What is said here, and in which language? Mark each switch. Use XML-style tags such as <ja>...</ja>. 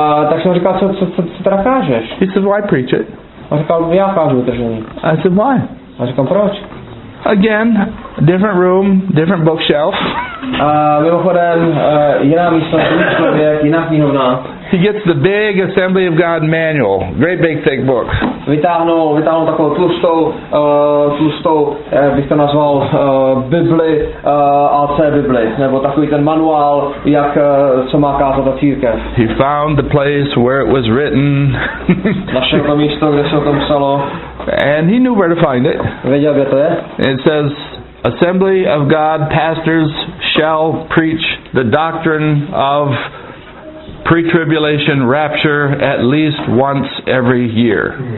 <cs>Tak jsem říkal, co teda kážeš?</cs> <en>He said, "Well, I preach it."</en> <cs>On říkal, já kážu utržení.</cs> <en>I said, "Why?"</en> <cs>A říkal, proč?</cs> <en>Again, different room, different bookshelf.</en> <cs>Mimochodem, jiná místnost, jiný člověk, jiná knihovna.</cs> <en>He gets the big Assembly of God manual, great big thick book.</en> <cs>Vytáhnu takovou tlustou, bych to nazval Bibli, AC Bibli, nebo takový ten manuál, jak co má kázat ta církev.</cs> <en>He found the place where it was written.</en> <cs>Našel to místo, kde se o tom psalo.</cs> <en>And he knew where to find it.</en> <cs>Věděl, kde to je.</cs> <en>It says, Assembly of God pastors shall preach the doctrine of pre-tribulation rapture at least once every year.</en>